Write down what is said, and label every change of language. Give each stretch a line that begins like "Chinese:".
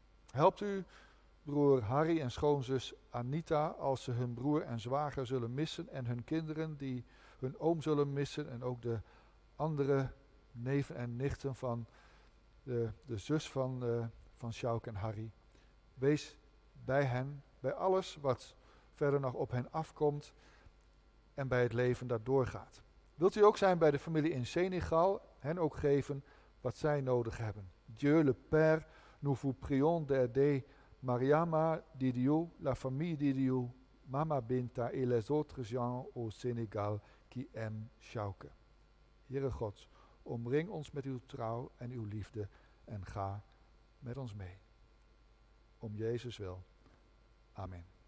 Dutch: Helpt u broer Harry en schoonzus Anita als ze hun broer en zwager zullen missen en hun kinderen die hun oom zullen missen en ook de andere neven en nichten van de zus van Sjouke en Harry. Wees bij hen, bij alles wat verder nog op hen afkomt en bij het leven dat doorgaat. Wilt u ook zijn bij de familie in Senegal, hen ook geven wat zij nodig hebben.
French: Dieu le Père, nous vous prions d'aider Mariama Didiou, la famille Didiou, Mama Binta et les autres gens au Sénégal qui aiment Sjouke.
Dutch: Heere God, omring ons met uw trouw en uw liefde en ga met ons mee. Om Jezus wil. Amen.